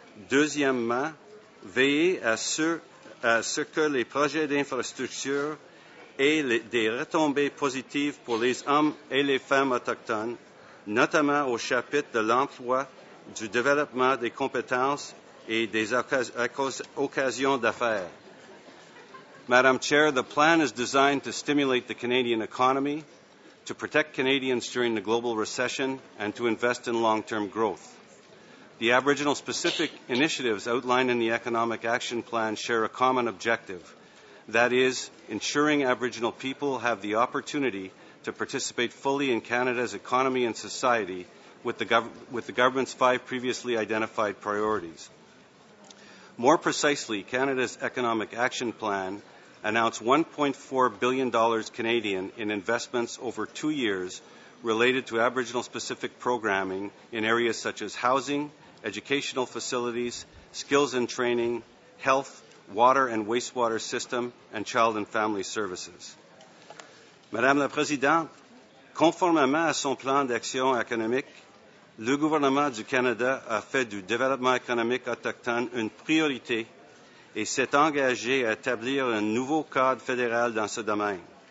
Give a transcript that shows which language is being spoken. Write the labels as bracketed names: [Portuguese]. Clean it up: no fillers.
[French] Deuxièmement, veiller à ce que les projets d'infrastructure aient des retombées positives pour les hommes et les femmes autochtones, notamment au chapitre de l'emploi, du développement des compétences et des occasions d'affaires. [English] Madam Chair, the plan is designed to stimulate the Canadian economy, to protect Canadians during the global recession, and to invest in long-term growth. The Aboriginal-specific initiatives outlined in the Economic Action Plan share a common objective, that is, ensuring Aboriginal people have the opportunity to participate fully in Canada's economy and society with the government's five previously identified priorities. More precisely, Canada's Economic Action Plan announced $1.4 billion Canadian in investments over 2 years related to Aboriginal-specific programming in areas such as housing, educational facilities, skills and training, health, water and wastewater system, and child and family services. [French] Madame la Présidente, conformément à son plan d'action économique, le gouvernement du Canada a fait du développement économique autochtone une priorité et s'est engagé à établir un nouveau cadre fédéral dans ce domaine.